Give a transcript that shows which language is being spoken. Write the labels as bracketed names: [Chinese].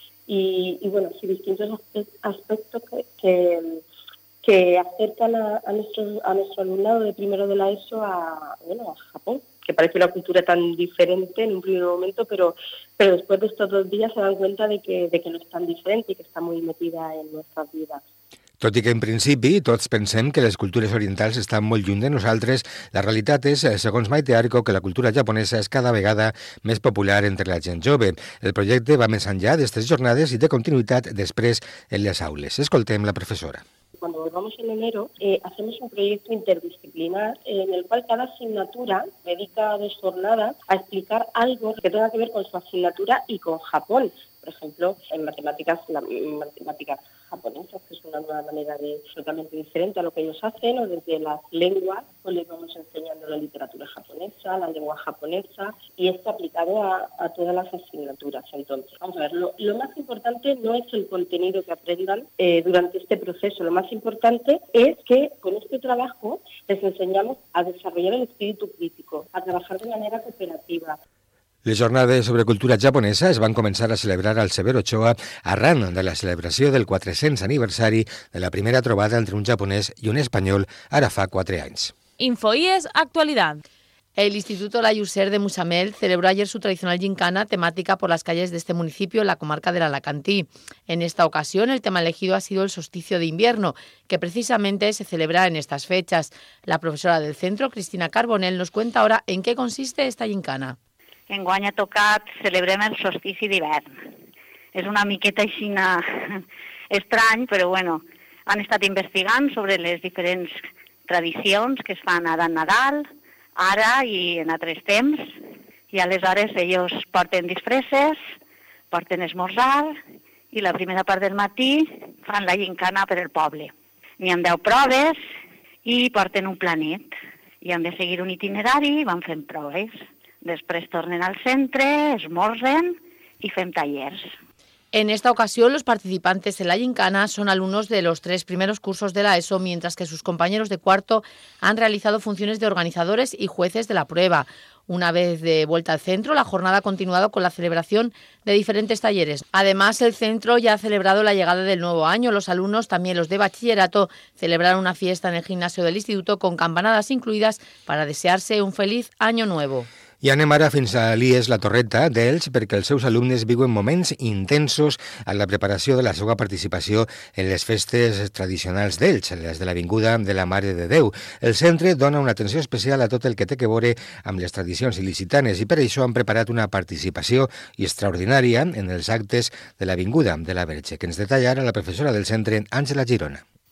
[Spanish] Y bueno, sí, distintos aspectos que acercan a nuestro alumnado de primero de la ESO a Japón, que parece una cultura tan diferente en un primer momento, pero después de estos dos días se dan cuenta de que no es tan diferente y que está muy metida en nuestras vidas. [Catalan] Tot i que en principi tots pensem que les cultures orientals estan molt lluny de nosaltres, la realitat és, segons Maite Arco, que la cultura japonesa és cada vegada més popular entre la gent jove. El projecte va més enllà d'aquestes jornades i de continuïtat després en les aules. Escoltem la professora. [Spanish] Cuando volvamos en enero, hacemos un proyecto interdisciplinar en el cual cada asignatura dedica dos jornadas a explicar algo que tenga que ver con su asignatura y con Japón. Por ejemplo, en matemáticas, la matemática japonesa, que es una nueva manera de totalmente diferente a lo que ellos hacen, o desde las lenguas, pues les vamos enseñando la literatura japonesa, la lengua japonesa, y esto aplicado a todas las asignaturas. Entonces, vamos a ver, lo más importante no es el contenido que aprendan durante este proceso, lo más importante es que con este trabajo les enseñamos a desarrollar el espíritu crítico, a trabajar de manera cooperativa. [Catalan] Les jornades sobre cultura japonesa es van començar a celebrar al Severo Ochoa arran de la celebració del 400 aniversari de la primera trobada entre un japonès i un espanyol ara fa 4 anys. [Spanish] InfoIES Actualidad. El Instituto Layuser de Mutxamel celebró ayer su tradicional gincana temática por las calles de este municipio, la comarca del Alacantí. En esta ocasión, el tema elegido ha sido el solsticio de invierno, que precisamente se celebra en estas fechas. La profesora del centro, Cristina Carbonell, nos cuenta ahora en qué consiste esta gincana. [Catalan] Enguany ha tocat, celebrem el solstici d'hivern. És una miqueta aixina estrany, però bueno, han estat investigant sobre les diferents tradicions que es fan ara en Nadal, ara i en altres temps, i aleshores ells porten disfresses, porten esmorzar, i la primera part del matí fan la gincana per al poble. N'hi ha 10 proves i porten un planet, i han de seguir un itinerari i van fent proves. Després tornen al centre, esmorzen i fem tallers. [Spanish] En esta ocasión, los participantes en la gincana son alumnos de los tres primeros cursos de la ESO, mientras que sus compañeros de cuarto han realizado funciones de organizadores y jueces de la prueba. Una vez de vuelta al centro, la jornada ha continuado con la celebración de diferentes talleres. Además, el centro ya ha celebrado la llegada del nuevo año. Los alumnos, también los de bachillerato, celebraron una fiesta en el gimnasio del instituto con campanadas incluidas para desearse un feliz año nuevo. [Catalan] I anem ara fins a l'IES La Torreta d'Elx perquè els seus alumnes viuen moments intensos en la preparació de la seva participació en les festes tradicionals d'Elx, les de l'Avinguda de la Mare de Déu. El centre dona una atenció especial a tot el que té que veure amb les tradicions il·licitanes i per això han preparat una participació extraordinària en els actes de l'Avinguda de la Verge, que ens detalla ara la professora del centre, Àngela Girona.